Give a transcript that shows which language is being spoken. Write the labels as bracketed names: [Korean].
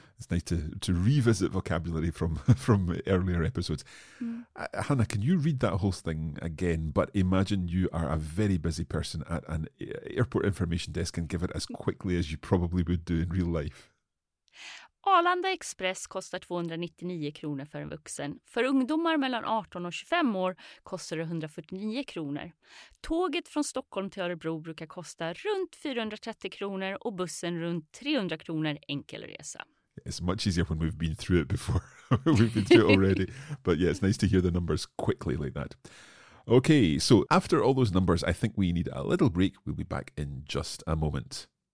[English] It's nice to revisit vocabulary from earlier episodes. Hannah, can you read that whole thing again? But imagine you are a very busy person at an airport information desk and give it as quickly as you probably would do in real life. [Swedish] Arlanda Express kostar 299 kronor för en vuxen. För ungdomar mellan 18 och 25 år kostar det 149 kronor. Tåget från Stockholm till Örebro brukar kosta runt 430 kronor och bussen runt 300 kronor enkel resa. [English] It's much easier when we've been through it before. We've been through it already. But yeah, it's nice to hear the numbers quickly like that. Okay, so after all those numbers, I think we need a little break. We'll be back in just a moment.